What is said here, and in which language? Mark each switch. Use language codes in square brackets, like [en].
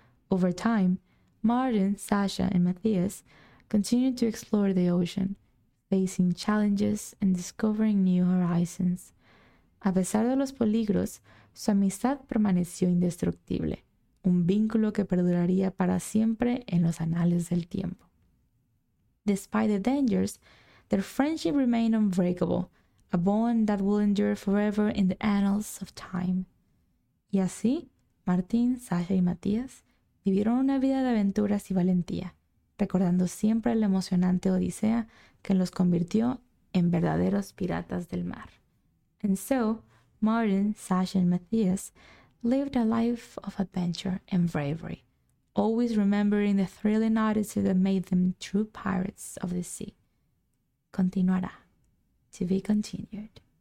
[en] Over time, Martin, Sasha, and Matthias continued to explore the ocean, facing challenges and discovering new horizons. [es] A pesar de los peligros, su amistad permaneció indestructible, un vínculo que perduraría para siempre en los anales del tiempo. [en] Despite the dangers, their friendship remained unbreakable, a bond that will endure forever in the annals of time. [es] Y así, Martín, Sasha y Matías vivieron una vida de aventuras y valentía, recordando siempre la emocionante odisea que los convirtió en verdaderos piratas del mar. [en] And so, Martín, Sasha and Matías lived a life of adventure and bravery, always remembering the thrilling odyssey that made them true pirates of the sea. [es] Continuará. [en] To be continued.